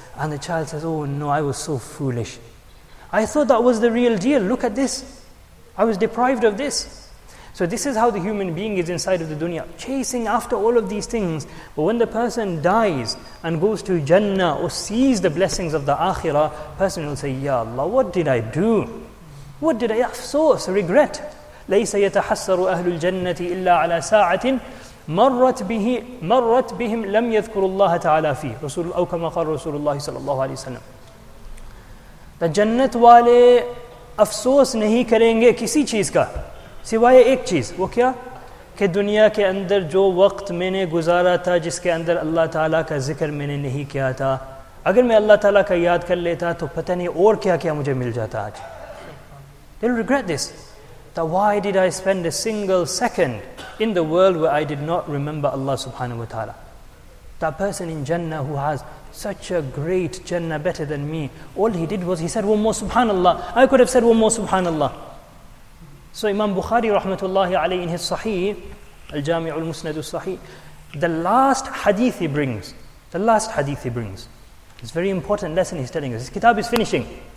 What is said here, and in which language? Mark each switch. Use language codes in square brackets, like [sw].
[en] And the child says, oh no, I was so foolish. I thought that was the real deal. Look at this. I was deprived of this. So this is how the human being is inside of the dunya, chasing after all of these things. But when the person dies and goes to Jannah or sees the blessings of the Akhirah, person will say, Ya Allah, what did I do? What did I afsus, regret? [ar] لَيْسَ يَتَحَسَّرُ أَهْلُ الْجَنَّةِ إِلَّا عَلَى سَاعَةٍ مَرَّتْ بِهِمْ لَمْ يَذْكُرُ اللَّهَ تَعَالَى فِيهِ أو كما قال رسول الله صلى الله عليه وسلم. [ur] The Jannat wale afsus nahi karenge kisi cheez ka, سوائے ایک چیز, وہ کیا؟ کہ دنیا کے اندر جو وقت میں نے گزارا تھا جس کے اندر اللہ تعالیٰ کا ذکر میں نے نہیں کیا تھا, اگر میں اللہ تعالیٰ کا یاد کر لیتا تو پتہ نہیں اور کیا کیا مجھے مل جاتا آج. [en] They'll regret this. That why did I spend a single second in the world where I did not remember Allah subhanahu wa ta'ala? That person in Jannah who has such a great Jannah better than me, all he did was he said one more subhanallah. I could have said one more subhanallah. So Imam Bukhari rahmatullahi alayhi in his Sahih, Al-Jami'ul Musnadu Sahih, the last hadith he brings, it's a very important lesson he's telling us. His kitab is finishing.